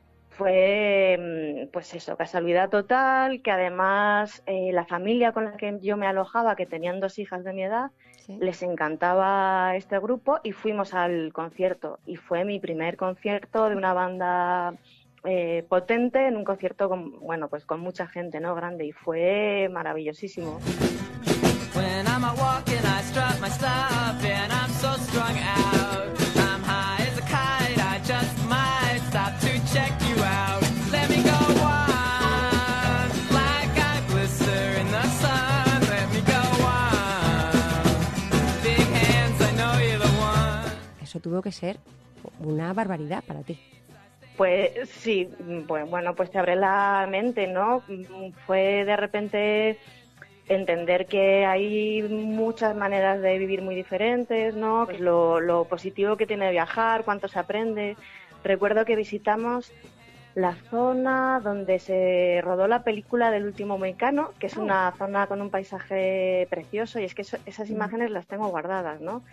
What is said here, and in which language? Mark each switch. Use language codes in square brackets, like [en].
[es] Fue, pues eso, casualidad total, que además la familia con la que yo me alojaba, que tenían dos hijas de mi edad, ¿sí?, les encantaba este grupo y fuimos al concierto. Y fue mi primer concierto de una banda potente en un concierto con, bueno, pues con mucha gente, ¿no?, grande, y fue maravillosísimo. [en] When I'm a walking, I strut my stuff, and I'm so strung out. I'm high as a kite, I just might stop to check you out. Let me go on, like I blister in the sun. Let me go on, big hands, I know you're the one. [es] Eso tuvo que ser una barbaridad para ti. Pues sí, bueno, pues te abre la mente, ¿no? Fue de repente entender que hay muchas maneras de vivir muy diferentes, ¿no? Pues lo positivo que tiene viajar, cuánto se aprende. Recuerdo que visitamos la zona donde se rodó la película del último mohicano, que es una zona con un paisaje precioso, y es que esas imágenes las tengo guardadas, ¿no?